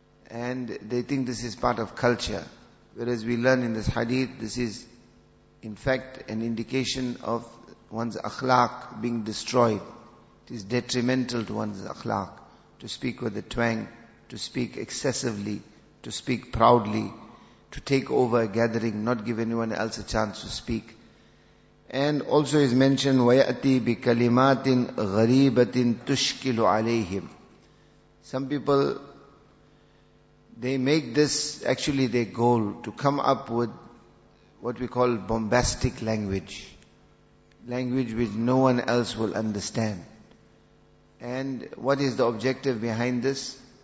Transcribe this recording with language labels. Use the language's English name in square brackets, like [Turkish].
[English] And they think this is part of culture. Whereas we learn in this hadith, this is, in fact, an indication of one's akhlaq being destroyed. It is detrimental to one's akhlaq to speak with a twang, to speak excessively, to speak proudly, to take over a gathering, not give anyone else a chance to speak. And also is mentioned, [Arabic] وَيَأْتِي بِكَلِمَاتٍ غَرِيبَةٍ تُشْكِلُ عَلَيْهِمْ. [English] Some people, they make this actually their goal, to come up with what we call bombastic language. language which no one else will understand. And what is the objective behind this?